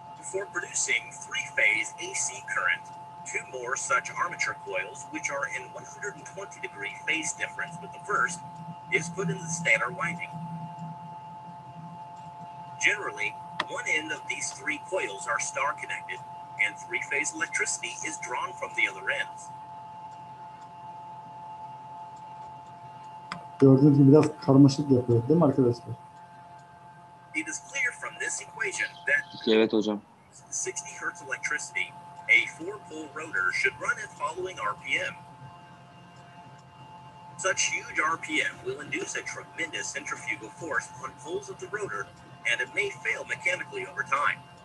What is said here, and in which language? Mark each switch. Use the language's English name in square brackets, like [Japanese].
[English] For producing three-phase AC current, two more such armature coils, which are in 120-degree phase difference with the first, is put in the stator winding. Generally, one end of these three coils are star connected, and three-phase electricity is drawn from the other ends. [Turkish] Gördüğünüz gibi biraz karmaşık yapıyor, değil mi arkadaşlar? [English] It is clear from this equation that, [Turkish] evet hocam, [English] 60 Hz electricity, a four-pole rotor should run at following RPM. Such huge RPM will induce a tremendous centrifugal force on poles of the rotor, and it may fail mechanically over time.